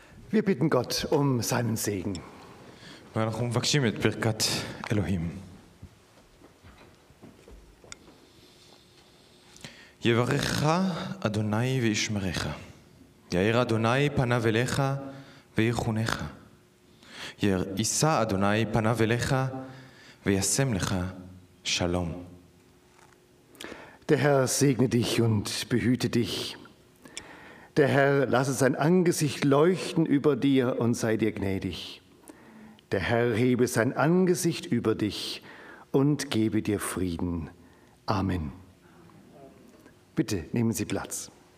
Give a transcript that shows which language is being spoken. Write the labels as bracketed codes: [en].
[de] Wir bitten Gott um seinen Segen. [he] אנחנו מבקשים את ברכת אלוהים. יברכך אדוני וישמרך. יאיר אדוני פניו אליך ויחונך. יישא אדוני פניו אליך וישם לך שלום. [de] Der Herr segne dich und behüte dich. Der Herr lasse sein Angesicht leuchten über dir und sei dir gnädig. Der Herr hebe sein Angesicht über dich und gebe dir Frieden. Amen. Bitte nehmen Sie Platz.